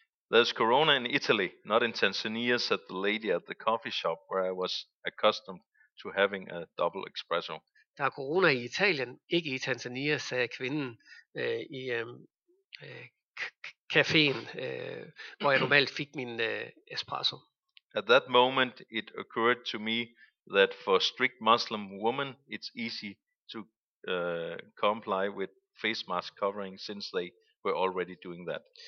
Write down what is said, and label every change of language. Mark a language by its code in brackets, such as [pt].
[en] There's corona in Italy, not in Tanzania, said the lady at the coffee shop where I was accustomed to having a double espresso. [da] Der er corona i Italien, ikke i Tanzania, sagde kvinden i caféen, hvor jeg normalt fik min espresso. [en] At that moment it occurred to me that for a strict Muslim woman it's easy to comply with face mask covering since they were already doing that.